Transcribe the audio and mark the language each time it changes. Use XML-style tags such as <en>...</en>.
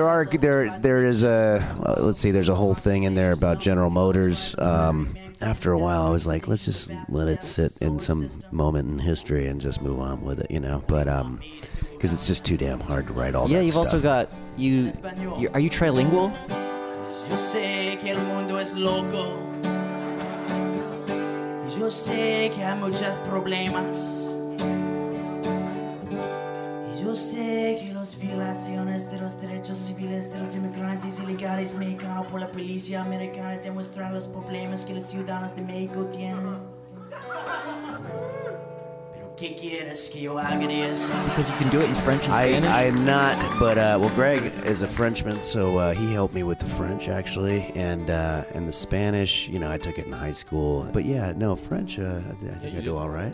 <en>There's a whole thing in there about General Motors. After a while, I was like, let's just let it sit in some moment in history and just move on with it, you know? But, because it's just too damn hard to write all that stuff. Yeah, you've also got, are you trilingual?</en> <es>Yo sé que el mundo es loco. Yo sé que hay muchos problemas. Yo sé que las violaciones de los derechos civiles de los inmigrantes ilegales mexicanos por la policía americana demuestran los problemas que los ciudadanos de México tienen.</es> <en>Because you can do it in French and Spanish? I am not, but, Greg is a Frenchman, so he helped me with the French, actually, and the Spanish, you know, I took it in high school. But yeah, no, French, I think I do all right.</en>